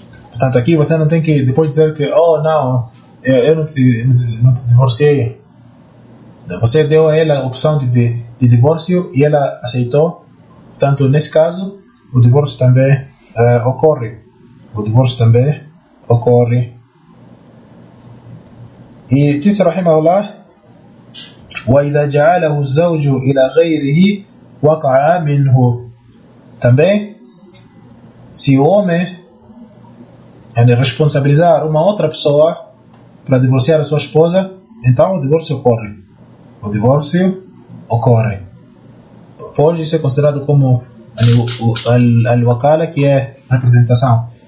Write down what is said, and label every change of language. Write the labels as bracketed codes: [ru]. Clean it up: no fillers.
[pt] Portanto, aqui você não tem que depois dizer que, oh, não, eu não te divorciei. Você deu a ela a opção de divórcio e ela aceitou. Portanto, nesse caso, o divórcio também ocorre. O divórcio também ocorre. E disse, rahimahullah, [ar] وَإِذَا جَعَلَهُ الزَّوْجُ إِلَى غَيْرِهِ وَقَعَ مِنْهُ. [pt] Também, se o homem responsabilizar uma outra pessoa para divorciar a sua esposa, então o divórcio ocorre. O divórcio ocorre. Pode ser considerado como al-wakala, que é representação.